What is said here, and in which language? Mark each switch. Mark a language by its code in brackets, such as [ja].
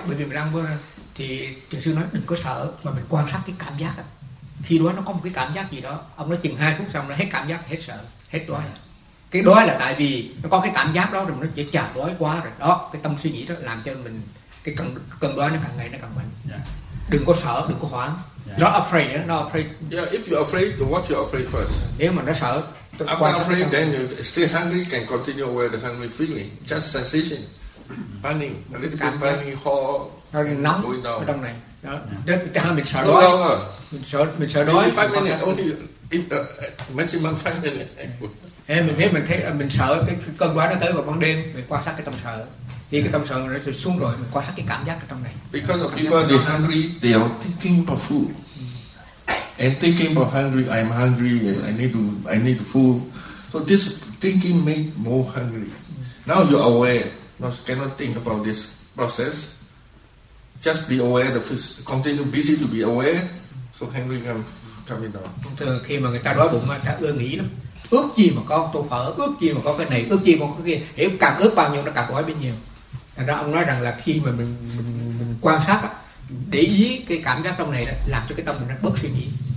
[vi] Bởi vì mình ăn vô thì thiền sư nói đừng có sợ, mà mình quan sát cái cảm giác đó. Khi đó nó có một cái cảm giác gì đó, ông nói chừng 2 phút xong là hết cảm giác, hết sợ, hết đói. Cái đói là tại vì nó có cái cảm giác đó rồi, mình nó chỉ chờ đói quá rồi đó, cái tâm suy nghĩ đó làm cho mình cái cơn đói nó càng ngày nó càng mạnh. Đừng có sợ, đừng có hoảng. [en] Not afraid. Yeah, if you're afraid, then what you're afraid first? [vi] Nếu mà nó sợ, [en] I'm not afraid, then you still hungry can continue with the hungry feeling, just sensation, burning, a little bit burning hot, going down. [vi] Nó nóng ở trong này. Đó, cho nên mình sợ đói. Mình sợ đói. [en] 5 minutes, only, maximum 5 minutes. [vi] Em, mình thấy mình sợ, cái cơn quá nó tới vào ban đêm, mình quan sát cái tâm sợ. Thì cái tâm sợ nó sẽ xuống rồi, mình quan sát cái cảm giác ở trong này. [en] Because of people, they're hungry, they are thinking about food. And thinking about hungry, I'm hungry, I need food. So this thinking make more hungry. Now you're aware, not cannot think about this process. Just be aware, the first, continue busy to be aware. So hungry can come down. [vi] Thông thường khi mà người ta đói bụng, ta ưa nghĩ lắm. Ước gì mà có tô phở, ước gì mà có cái này, ước gì mà có cái kia. Hiểu càng ước bao nhiêu nó càng đói bấy nhiêu. Thành ra ông nói rằng là khi mà mình quan sát á, để ý cái cảm giác trong này đó, làm cho cái tâm mình nó bớt suy nghĩ.